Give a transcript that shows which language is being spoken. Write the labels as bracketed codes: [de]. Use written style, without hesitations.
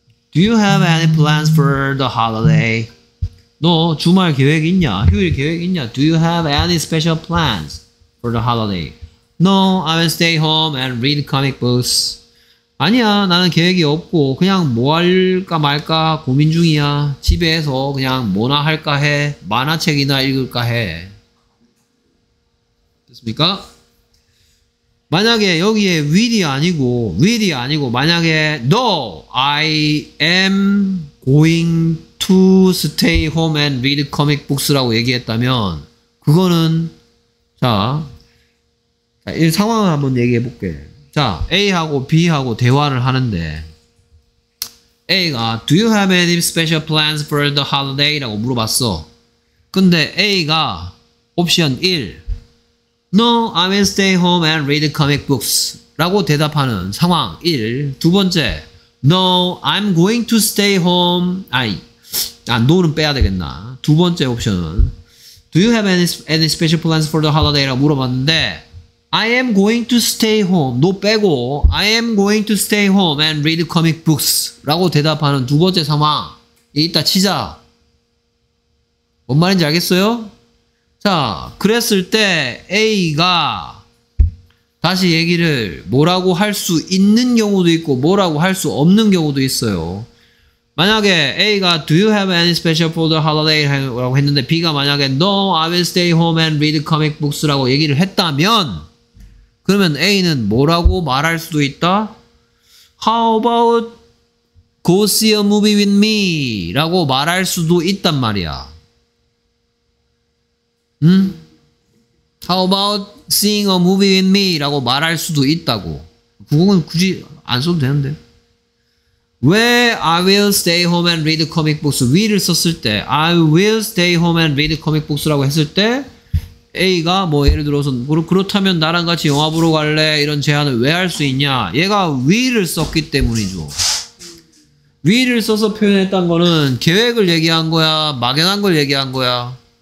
[en] Do you have any plans for the holiday? [ko] 너 주말 계획 있냐? 휴일 계획 있냐? [en] Do you have any special plans for the holiday? No, I will stay home and read comic books. [ko] 아니야, 나는 계획이 없고 그냥 뭐 할까 말까 고민 중이야. 집에서 그냥 뭐나 할까 해. 만화책이나 읽을까 해. 됐습니까? 만약에 여기에 will이 아니고 만약에 [en] No, I am going to to stay home and read comic books [ko] 라고 얘기했다면 그거는 자, 이 상황을 한번 얘기해 볼게. 자, A하고 B하고 대화를 하는데 A가 [en] Do you have any special plans for the holiday? [ko] 라고 물어봤어. 근데 A가 옵션 1 [en] No, I will stay home and read comic books [ko] 라고 대답하는 상황 1. [en] 두 번째 No, I'm going to stay home. [ko] 아니, 아, no는 빼야 되겠나. 두 번째 옵션은 [en] Do you have any special plans for the holiday? [ko] 라고 물어봤는데 [en] I am going to stay home. [ko] 너 빼고 [en] I am going to stay home and read comic books. [ko] 라고 대답하는 두 번째 상황. 이 있다 치자. 뭔 말인지 알겠어요? 자, 그랬을 때 A가 다시 얘기를 뭐라고 할 수 있는 경우도 있고 뭐라고 할 수 없는 경우도 있어요. 만약에 A가 [en] Do you have any special for the holiday? [ko] 라고 했는데 B가 만약에 [en] No, I will stay home and read comic books. [ko] 라고 얘기를 했다면 그러면 A는 뭐라고 말할 수도 있다? [en] How about go see a movie with me? [ko] 라고 말할 수도 있단 말이야. 응? [en] How about seeing a movie with me? [ko] 라고 말할 수도 있다고. 그건 굳이 안 써도 되는데. [en] Where I will stay home and read comic books. will [ko] 썼을 때 [en] I will stay home and read comic books. [ko] 라고 했을 때 A가 뭐 예를 들어서 그렇다면 나랑 같이 영화 보러 갈래 이런 제안을 왜 할 수 있냐, 얘가 will을 썼기 때문이죠. will을 써서 표현했던 거는 계획을 얘기한 거야 막연한 걸 얘기한 거야?